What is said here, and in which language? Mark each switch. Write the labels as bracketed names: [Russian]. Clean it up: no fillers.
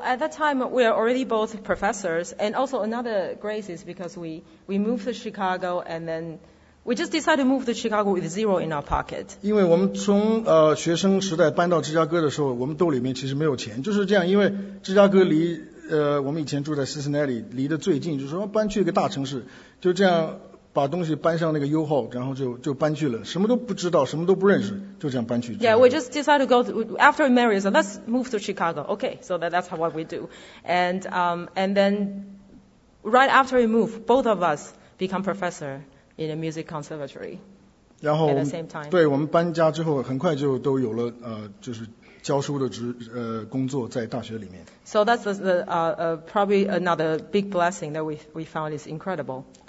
[English] at that time we are already both professors, and also another grace is because we moved to Chicago and then. We just decided to move to Chicago with zero in our pocket. [Chinese] 因为我们从学生时代搬到芝加哥的时候，我们兜里面其实没有钱，就是这样。因为芝加哥离我们以前住在 Cincinnati 离得最近，就是说搬去一个大城市，就这样把东西搬上那个U-Haul，然后就搬去了，什么都不知道，什么都不认识，就这样搬去。 [English] Yeah, we just decided to go after we married. So let's move to Chicago. Okay, so that's what we do. And then right after we move, both of us become professor. In a music conservatory. [Chinese] 然后, [English] at the same time. [Chinese] 对，我们搬家之后，很快就都有了，就是教书的工作在大学里面。 [English] So that's probably another big blessing that we found is incredible.